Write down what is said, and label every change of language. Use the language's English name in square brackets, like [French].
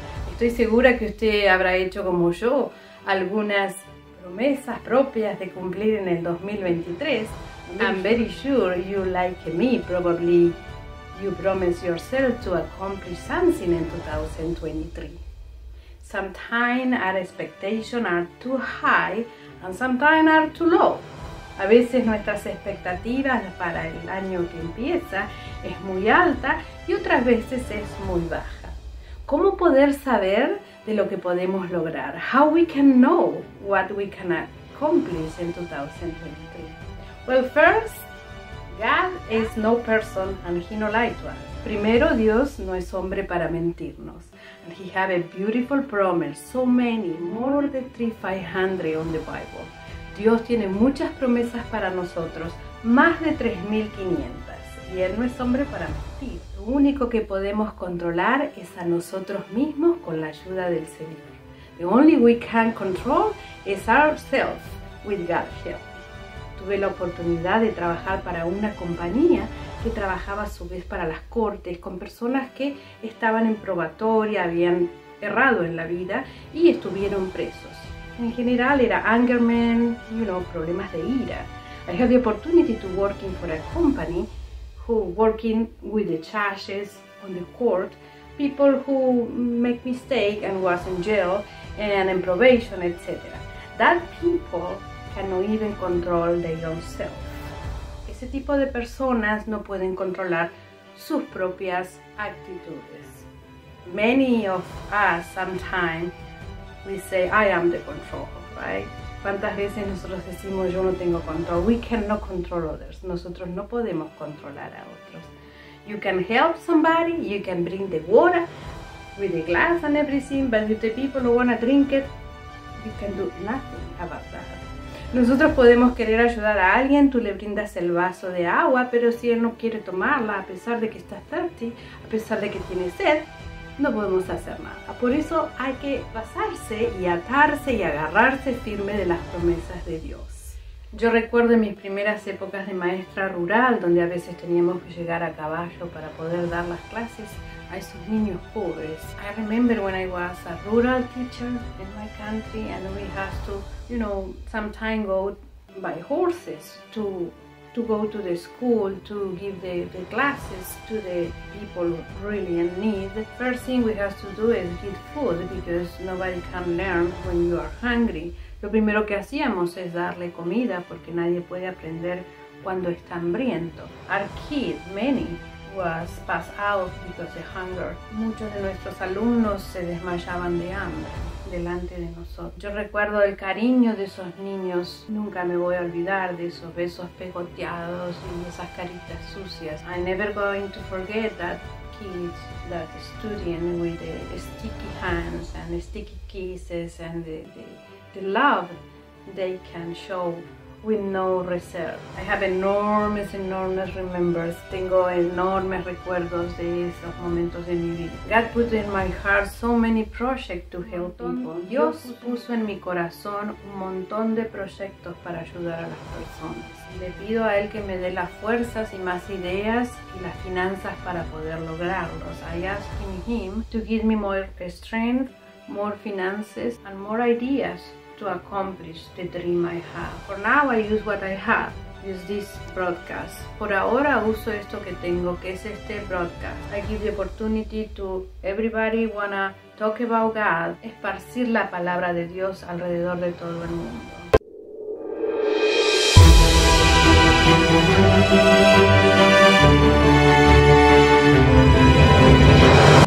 [Spanish] Estoy segura que usted habrá hecho como yo algunas promesas propias de cumplir en el 2023. [English] I'm very sure you like me, probably you promise yourself to accomplish something in 2023. Sometimes our expectations are too high and sometimes are too low. [Spanish] A veces nuestras expectativas para el año que empieza es muy alta y otras veces es muy baja. ¿Cómo poder saber de lo que podemos lograr? [English] How we can know what we can accomplish in 2023? Well, first, God is no person and he no lie to us. [Spanish] Primero, Dios no es hombre para mentirnos. [English] And he have a beautiful promise, so many, more than 3,500 on the Bible. [Spanish] Dios tiene muchas promesas para nosotros, más de 3,500. Y él no es hombre para mentir. Lo único que podemos controlar es a nosotros mismos con la ayuda del Señor. [English] The only we can control is ourselves with God's help. [Spanish] Tuve la oportunidad de trabajar para una compañía que trabajaba a su vez para las cortes con personas que estaban en probatoria, habían errado en la vida y estuvieron presos. En general era [English] anger men, you know, [Spanish] problemas de ira. [English] I had the opportunity to work for a company who working with the charges on the court, people who make mistake and was in jail and in probation, etc. That people cannot even control their own self. [Spanish] Ese tipo de personas no pueden controlar sus propias actitudes. [English] Many of us sometimes we say I am the control, right? [Spanish] ¿Cuántas veces nosotros decimos yo no tengo control? [English] We cannot control others. [Spanish] Nosotros no podemos controlar a otros. [English] You can help somebody, you can bring the water with the glass and everything, but if the people don't want to drink it, you can do nothing about that. [Spanish] Nosotros podemos querer ayudar a alguien, tú le brindas el vaso de agua, pero si él no quiere tomarla, a pesar de que está thirsty, a pesar de que tiene sed, no podemos hacer nada. Por eso hay que basarse y atarse y agarrarse firme de las promesas de Dios. Yo recuerdo en mis primeras épocas de maestra rural, donde a veces teníamos que llegar a caballo para poder dar las clases a esos niños pobres. [English] I remember when I was a rural teacher in my country and we had to, you know, sometimes go by horses to go to the school, to give the classes to the people really in need. The first thing we have to do is get food because nobody can learn when you are hungry. [Spanish] Lo primero que hacíamos es darle comida porque nadie puede aprender cuando está hambriento. [English] Our kid, many, was passed out because of hunger. [Spanish] Muchos de nuestros alumnos se desmayaban de hambre delante de nosotros. Yo recuerdo el cariño de esos niños. Nunca me voy a olvidar de esos besos pegoteados y esas caritas sucias. [English] I never going to forget that kids that studying with the sticky hands and the sticky kisses and the love they can show with no reserve. I have enormous, enormous remembers. [Spanish] Tengo enormes recuerdos de esos momentos de mi vida. [English] God put in my heart so many projects to help people. [Spanish] Dios puso en mi corazón un montón de proyectos para ayudar a las personas. Le pido a Él que me dé las fuerzas y más ideas y las finanzas para poder lograrlos. [English] I ask Him to give me more strength, more finances, and more ideas to accomplish the dream I have. For now, I use what I have. Use this broadcast. [Spanish] Por ahora, uso esto que tengo, que es este broadcast. [English] I give the opportunity to everybody wanna talk about God, [Spanish] esparcir la palabra de Dios alrededor de todo el mundo.